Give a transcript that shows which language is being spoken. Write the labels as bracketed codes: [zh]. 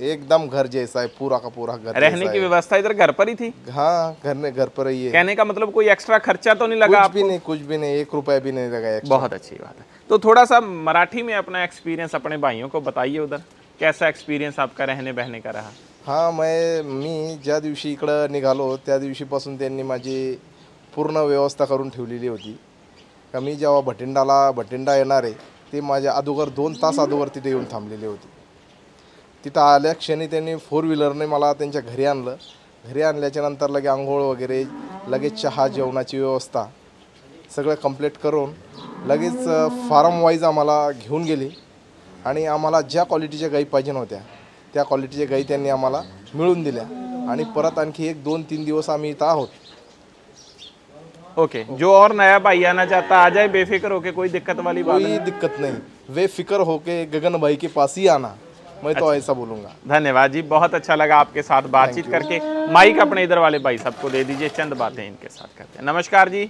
[hi] एकदम घर जैसा है, पूरा का पूरा घर। रहने की व्यवस्था इधर घर पर ही थी? हाँ घर में, घर पर ही है। कहने का मतलब कोई एक्स्ट्रा खर्चा तो नहीं लगा? कुछ भी नहीं, कुछ भी नहीं, 1 रुपया भी नहीं लगा। बहुत अच्छी बात है। तो थोड़ा सा मराठी में अपना एक्सपीरियंस अपने भाइयों को बताइए, उधर कैसा एक्सपीरियंस आपका रहने बहने का रहा? [mr] हाँ मी ज्या दिवशी इकडं निघालो त्या दिवशीपासून त्यांनी माझी पूर्ण व्यवस्था करून ठेवलेली होती। मी जेव्हा भटिंडा येणार आहे ते माझ्या अदुगर 2 तास अदुगर तिथे येऊन थांबलेली होती। तिथं आल्या क्षणी त्यांनी 4-व्हीलरने मला त्यांच्या घरी आणलं। घरी आणल्याच्या नंतर लगे आंघोळ वगैरे, लगेच चहा जेवणाची व्यवस्था सगळं कम्प्लीट करून लगेच फार्म वाईज आम्हाला घेऊन गेले, आणि आम्हाला ज्या क्वालिटीच्या गाई पाहिजे होत्या त्या क्वालिटीचे गाई त्यांनी आम्हाला मिळून दिल्या, आणि परत आणखी 1-2-3 दिवस आम्ही इथं आहोत। [hi] ओके, जो और नया भाई आना चाहता आ जाए बेफिक्र होके, कोई दिक्कत वाली बात नहीं। दिक्कत नहीं, वे फिक्र होके गगन भाई के पास ही आना, मैं अच्छा। तो ऐसा बोलूंगा। धन्यवाद जी, बहुत अच्छा लगा आपके साथ बातचीत करके। माइक अपने इधर वाले भाई सबको दे दीजिए, चंद बातें इनके साथ करते हैं। नमस्कार जी।